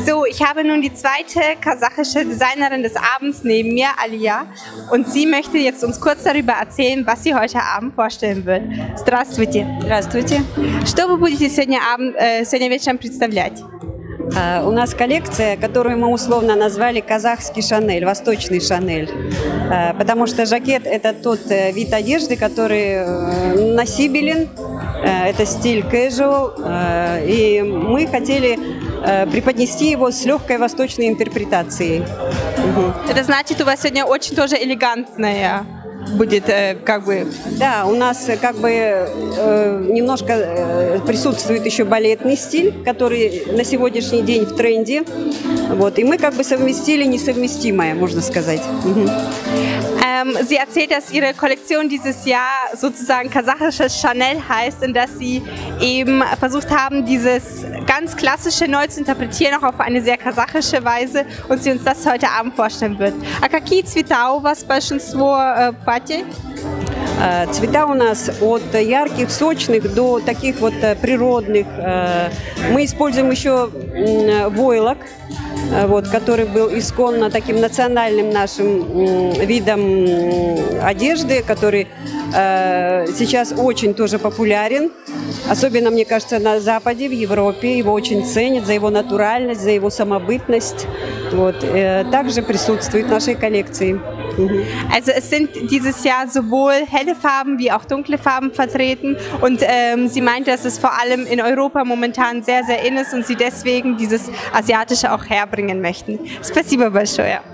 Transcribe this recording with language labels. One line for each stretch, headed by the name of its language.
German: Ich habe nun die zweite kasachische Designerin des Abends neben mir, Alia. Und sie möchte jetzt uns kurz darüber erzählen, was sie heute Abend vorstellen wird.
Russian: Здравствуйте. Здравствуйте. Что вы будете сегодня, сегодня вечером представлять? У нас коллекция, которую мы условно назвали казахский Шанель, восточный Шанель. Потому что жакет – это тот вид одежды, который носибелен, это стиль casual. И мы хотели преподнести его с легкой восточной интерпретацией. Это значит, у вас сегодня очень тоже элегантная будет, как бы... Да, у нас как бы немножко присутствует еще балетный стиль, который на сегодняшний день в тренде. Вот, и мы как бы совместили несовместимое, можно сказать.
German: Sie erzählt, dass ihre Kollektion dieses Jahr sozusagen kasachisches Chanel heißt und dass sie eben versucht haben, dieses ganz klassische neu zu interpretieren, auch auf eine sehr kasachische Weise, und sie uns das heute Abend vorstellen wird.
Russian: А какие цвета у вас большинство платье? Цвета у нас от ярких, сочных до таких вот природных. Мы используем еще войлок. Вот, который был исконно таким национальным нашим видом одежды, который сейчас очень тоже популярен. Особенно, мне кажется, на Западе, в Европе. Его очень ценят за его натуральность, за его самобытность. Вот, также присутствует в нашей коллекции.
German: Also es sind dieses Jahr sowohl helle Farben wie auch dunkle Farben vertreten und sie meint, dass es vor allem in Europa momentan sehr, sehr in ist und sie deswegen dieses Asiatische auch herbringen möchten.
Russian: Спасибо большое.